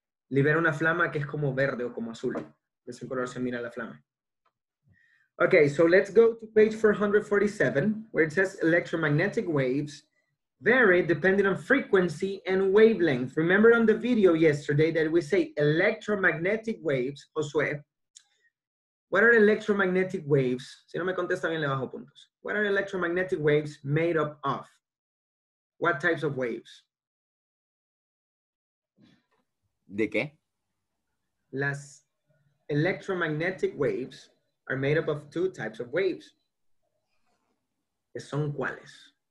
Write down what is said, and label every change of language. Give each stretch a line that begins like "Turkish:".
Spanish: Libera una flama que es como verde o como azul. De ese color se mira la flama.
English: Okay, so let's go to page 447, where it says electromagnetic waves vary depending on frequency and wavelength. Remember on the video yesterday that we say electromagnetic waves, Josué, what are electromagnetic waves?
Spanish: Si no me contesta bien, le bajo puntos.
English: What are electromagnetic waves made up of? What types of waves?
Spanish: ¿De qué?
English: Las electromagnetic waves are made up of two types of waves.
Spanish: ¿Qué son cuáles?